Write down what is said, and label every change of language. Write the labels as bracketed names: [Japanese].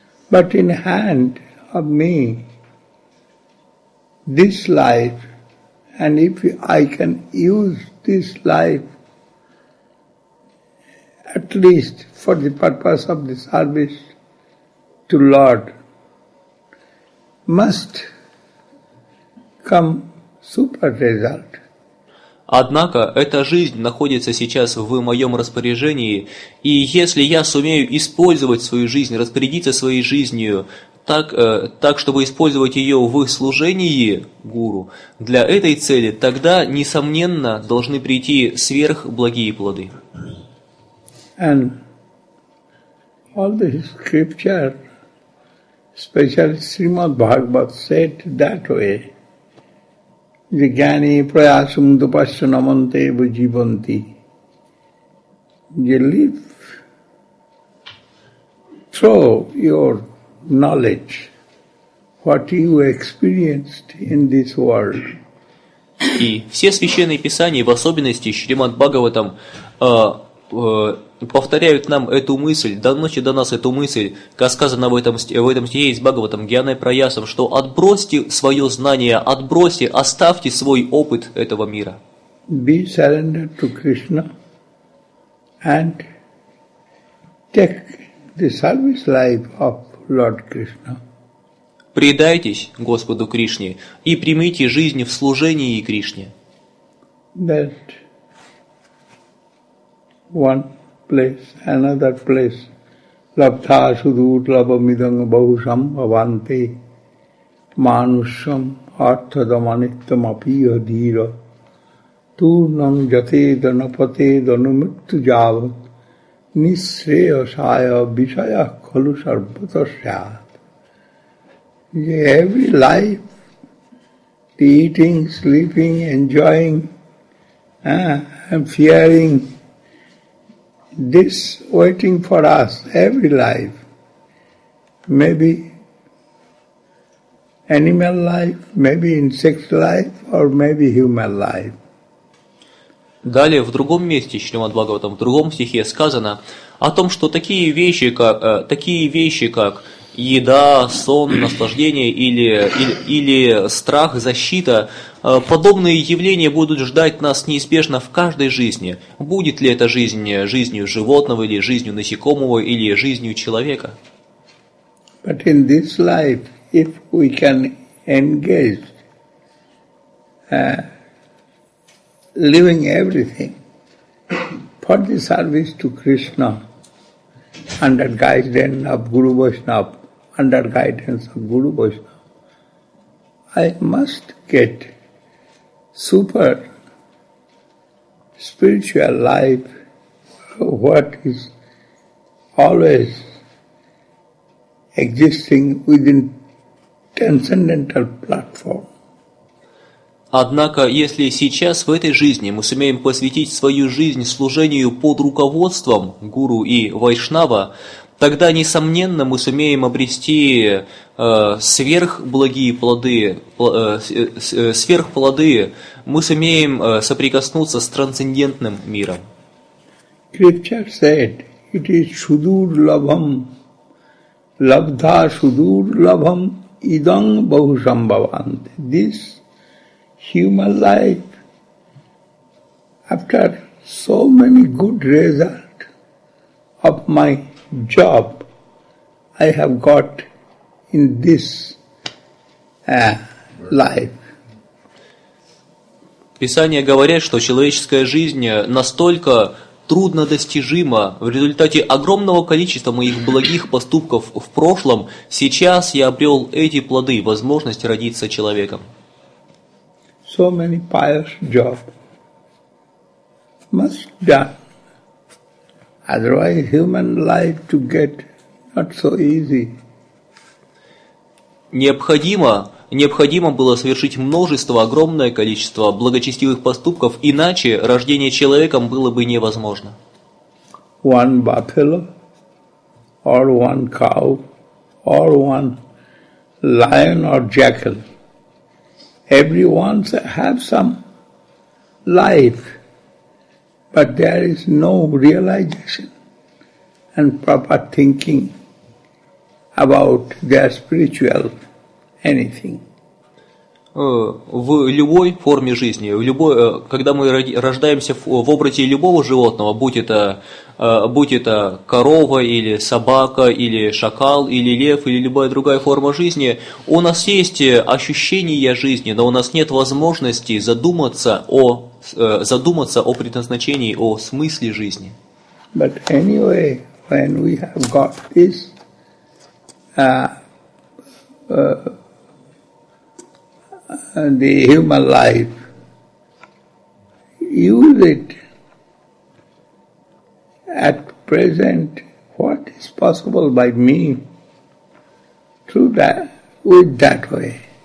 [English] But in hand of me, this life, and if I can use this life at least for the purpose of the service to Lord, must come super result. [Russian] Однако эта жизнь находится сейчас в моем распоряжении, и если я сумею использовать свою жизнь, распорядиться своей жизнью так, чтобы использовать ее в служении гуру, для этой цели, тогда, несомненно, должны прийти сверхблагие плоды. [English] And all the scripture, especially Srimad Bhagavat, said that way. [Sanskrit] Jnani prayasam dupasya namante vajivanti. [English] You live through your knowledge, what you experienced in this world. [Russian] И все священные писания, в особенности Шримад Бхагаватам, повторяют нам эту мысль, доносят до нас эту мысль, как сказано в этом стихе из Бхагаватам, Гьяной Праясом, что отбросьте свое знание, отбросьте, оставьте свой опыт этого мира. [English] Be surrendered to Krishna and take the service life of Lord Krishna. [Russian] Предайтесь Господу Кришне и примите жизнь в служении Кришне. [English] That one place, another place, [Sanskrit] Lapta sudutlava midanga bahusam avante manusam arthadamanittam apiya dhira tu nam jate danapate danumittu javat nisreya saya visaya khalu sarvata syat. [English] Every life, the eating, sleeping, enjoying, and fearing, this waiting for us, every life, maybe animal life, maybe insect life, or maybe human life. [Russian] Далее, в другом месте, Шримад-Бхагаватам, в другом стихе сказано о том, что такие вещи, как еда, сон, наслаждение или страх, защита, подобные явления будут ждать нас неизбежно в каждой жизни. Будет ли эта жизнь жизнью животного, или жизнью насекомого, или жизнью человека? [English] But in this life, if we can engage living everything for the service to Krishna under guidance of Guru Vaishnava, under guidance of Guru Vaishnava, I must get super spiritual life, what is always existing within transcendental platform. [Russian] Однако, если сейчас в этой жизни мы сумеем посвятить свою жизнь служению под руководством Гуру и Вайшнава, тогда, несомненно, мы сумеем обрести сверхплоды, мы сумеем соприкоснуться с трансцендентным миром. [English] Scripture said, it is [Sanskrit] sudur labham, labdha sudur labham, idam bahusam bhavante. [English] This human life, after so many good results of my job I have got in this life. [Russian] Писания говорят, что человеческая жизнь настолько труднодостижима в результате огромного количества моих благих поступков в прошлом, сейчас я обрел эти плоды, возможность родиться человеком. [English] So many pious jobs must be done. Otherwise, human life to get not so easy. [Russian] Необходимо было совершить множество, огромное количество благочестивых поступков, иначе рождение человеком было бы невозможно. [English] One buffalo, or one cow, or one lion or jackal. Everyone have some life, but there is no realization and proper thinking about their spiritual anything. [Russian] В любой форме жизни, когда мы рождаемся в образе любого животного, будь это корова, или собака, или шакал, или лев, или любая другая форма жизни, у нас есть ощущения жизни, но у нас нет возможности задуматься о предназначении, о смысле жизни. [English] But anyway, when we have got this the human life, use it at present what is possible by me through that, with that way.